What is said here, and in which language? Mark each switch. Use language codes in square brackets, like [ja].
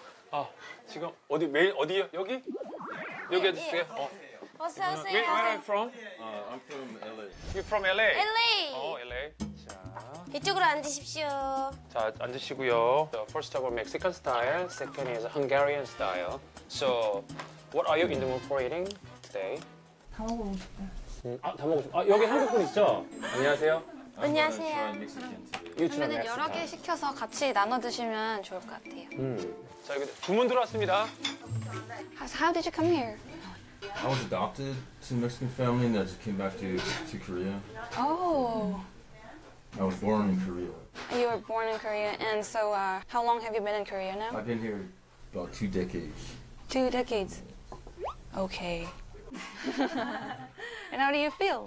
[ko] 아, 지금 어디 메일 어디요? 여기? 여기 [en] yeah, [ko] 해주세요. [en] Yeah. [ko] 어서 오세요. [en] Where are you from? I'm from LA. You from LA? LA. [ko] 어, LA. 자, 이쪽으로 앉으십시오. 자, 앉으시고요. [en] The first of all, Mexican style. Second is Hungarian style. So, what are you in the mood for eating today? [ko] 다 먹고 싶다. 아, 다 먹고 싶다. 아, 여기 한국 분 있죠? 안녕하세요. 안녕하세요. 유튜브는 여러 개 시켜서 같이 나눠 드시면 좋을 것 같아요. 자, 여기 두 분 들어왔습니다. [en] How did you come here? I was adopted to a Mexican family and I just came back to Korea. Oh. I was born in Korea. You were born in Korea, and so how long have you been in Korea now? I've been here about 2 decades. 2 decades? Okay. And how do you feel?